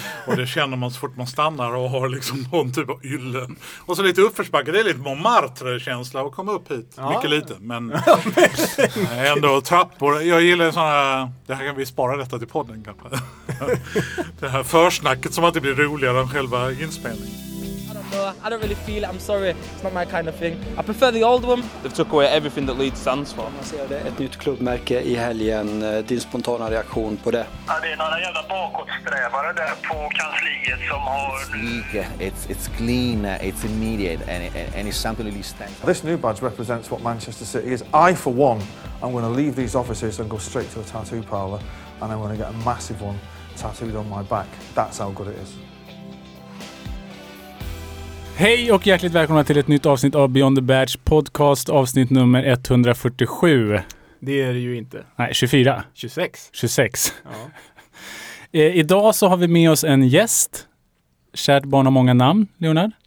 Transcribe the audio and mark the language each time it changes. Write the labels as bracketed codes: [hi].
[sv] Och det känner man så fort man stannar och har liksom någon typ av ylle. Och så lite uppförsbacke, det är lite Montmartre-känsla att komma upp hit. Ja. Mycket lite, men ändå trappor. Jag gillar sådana, det här kan vi spara detta till podden kanske. Det här försnacket som alltid blir roligare än själva inspelningen. [en] I don't really feel it, I'm sorry, it's not my kind of thing. I prefer the old one. They've took away everything that Leeds stands for. [sv] Ett nytt klubbmärke i helgen, din spontana reaktion på det? Ja, det är några jävla bakåtsträvare där på kansliet som har... [en] It's sleek, it's clean, it's immediate and it's something really stands. This new badge represents what Manchester City is. I, for one, I'm going to leave these offices and go straight to a tattoo parlour and I'm going to get a massive one tattooed on my back. That's how good it is. [sv] Hej och hjärtligt välkomna till ett nytt avsnitt av Beyond the Badge podcast, avsnitt nummer 147. Det är det ju inte. Nej, 24. 26. 26. Ja. Idag så har vi med oss en gäst. Kärt barn har många namn, Leonard.